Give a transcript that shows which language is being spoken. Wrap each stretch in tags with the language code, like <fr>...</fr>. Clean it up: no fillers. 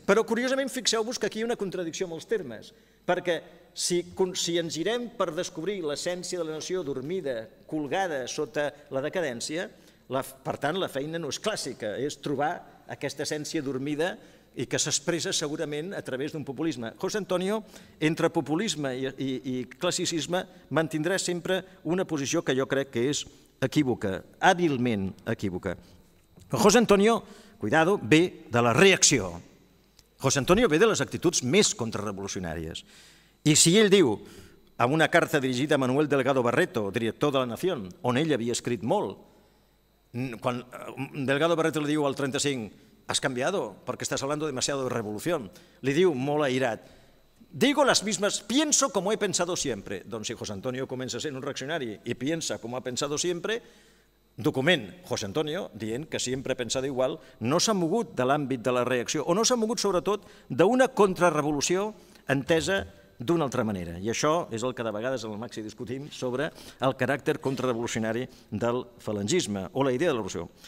<ca>Però curiosament fixeu-vos que aquí hi ha una contradicció amb els termes, perquè si ens girem per descobrir l'essència de la nació dormida, colgada sota la decadència, per tant, la feina no és clàssica, és trobar aquesta essència dormida i que s'expressa segurament a través d'un populisme. José Antonio, entre populisme i classicisme, mantindrà sempre una posició que jo crec que és equívoca, hàbilment equívoca. José Antonio, cuidado, ve de la reacció. José Antonio ve de les actituds més contrarrevolucionàries. I si ell diu, en una carta dirigida a Manuel Delgado Barreto, director de la Nació, on ell havia escrit molt, quan Delgado Barreto li diu al 35,</ca> <es>has cambiado, porque estás hablando demasiado de revolución,</es> <ca>li diu molt airat,</ca> <es>digo las mismas, pienso como he pensado siempre.</es> <ca>Doncs si José Antonio comença sent un reaccionari i</ca> <es>piensa como ha pensado siempre,</es> <ca>document José Antonio dient que sempre ha pensat igual, no s'ha mogut de l'àmbit de la reacció, o no s'ha mogut sobretot d'una contrarrevolució entesa d'una altra manera. I això és el que de vegades en el Maxi discutim sobre el caràcter contrarrevolucionari del falangisme o la idea de la revolució.</ca>